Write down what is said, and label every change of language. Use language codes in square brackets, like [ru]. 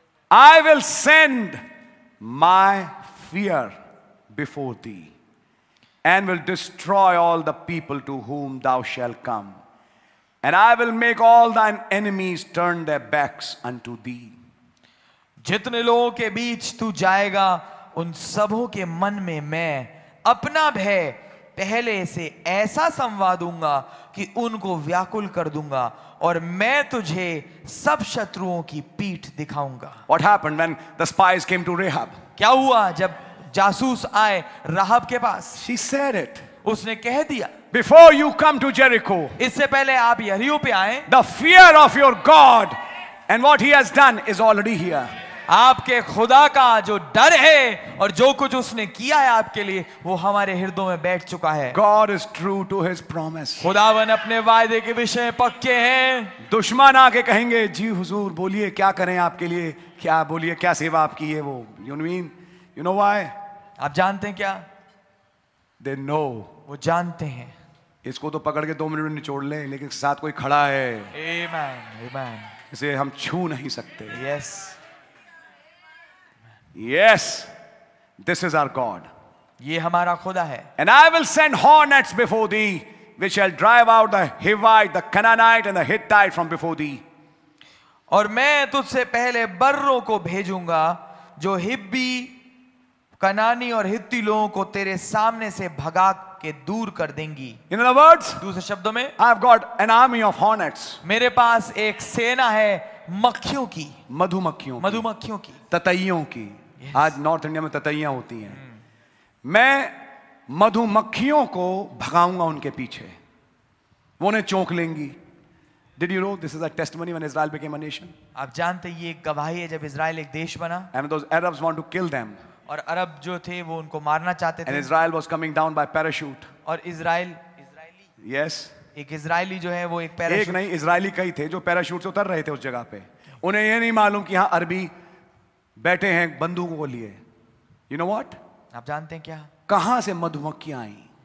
[en] I will send my fear before thee and will destroy all the people to whom thou shall come. And I will make all thine enemies turn their backs unto thee. [hi] जितने लोगों के बीच तू जाएगा उन सबों के मन में मैं अपना भय पहले से ऐसा संवा दूंगा कि उनको व्याकुल कर दूंगा, और मैं तुझे सब शत्रुओं की पीठ दिखाऊंगा. [en] What happened when the spies came to Rahab? [hi] क्या हुआ जब जासूस आए राहब के पास? [en] She said it. [hi] उसने कह दिया. [en] Before you come to Jericho, [hi] इससे पहले आप यरीहो पे आए, [en] the fear of your God and what he has done is already here. [hi] आपके खुदा का जो डर है और जो कुछ उसने किया है आपके लिए वो हमारे हृदयों में बैठ चुका है. [en] God is true to his promise. [hi] खुदावन अपने वायदे के विषय पक्के हैं. दुश्मन आके कहेंगे, जी हुजूर बोलिए क्या करें आपके लिए, क्या बोलिए, क्या सेवा आपकी है, वो [en] you know why, [hi] आप जानते हैं क्या? [en] they know, [hi] वो जानते हैं. इसको तो पकड़ के दो मिनट में निचोड़ लें, लेकिन साथ कोई खड़ा है. [en] Amen, amen. [hi] इसे हम छू नहीं सकते. [en] Yes. Yes, this is our God. [hi] ये हमारा खुदा है. [en] And I will send hornets before thee, which shall drive out the Hivite, the Canaanite, and the Hittite from before thee. [hi] और मैं तुझसे पहले बर्रों को भेजूंगा जो हिब्बी, कनानी और हित्ती लोगों को तेरे सामने से भगा आपके दूर कर देंगी. [en] In other words, [hi] दूसरे शब्दों में, [en] I have got an army of hornets. [hi] मेरे पास एक सेना है मक्खियों की, मधुमक्खियों की, मधुमक्खियों की, ततैयों की. Yes. आज नॉर्थ इंडिया में ततैयां होती हैं. मैं मधुमक्खियों को भगाऊंगा उनके पीछे, वो उन्हें चौंक लेंगी. [en] Did you know this is a testimony when Israel became a nation? [hi] आप जानते हैं ये एक गवाही है जब इज़राइल एक देश बना. [en] And those Arabs want to kill them. [hi] और अरब जो थे वो उनको मारना चाहते थे. [en] And Israel was coming down by parachute. [hi] और इज़राइल, इज़राइली. [en] Yes. [hi] एक इज़राइली जो है वो एक parachute. एक नहीं, इज़राइली कई थे जो parachute से उतर रहे थे उस जगह पे. उन्हें ये नहीं मालूम कि यहाँ अरबी बैठे हैं बंदूकों को लिए. [en] You know what? [hi] आप जानते हैं क्या? कहाँ से मधुमक्खियाँ आईं?